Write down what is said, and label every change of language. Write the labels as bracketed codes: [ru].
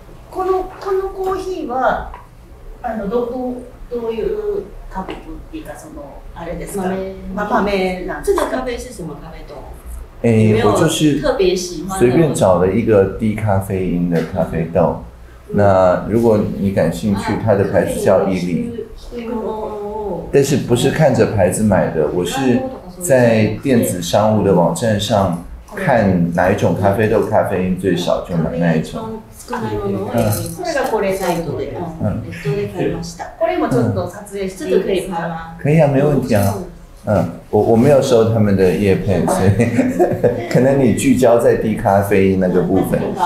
[ja] コーヒーはあの どういうカップっていうかそのあれですか、豆、まあ、なんですか。 [zh] 这个咖啡是什么咖啡豆？我就是随便找了一个低咖啡因的咖啡豆。那如果你感兴趣，它的牌子叫伊利，但是不是看着牌子买的，我是在电子商务的网站上看哪一种咖啡豆咖啡因最少，就买那一种。嗯，这个是 [ja] これサイトで、嗯，ネットで買いました。これもちょっと撮影、ちょっと [zh] 可以拍吗？可以啊，没问题啊。嗯，我没有收他们的业配，所以可能你聚焦在低咖啡因那个部分。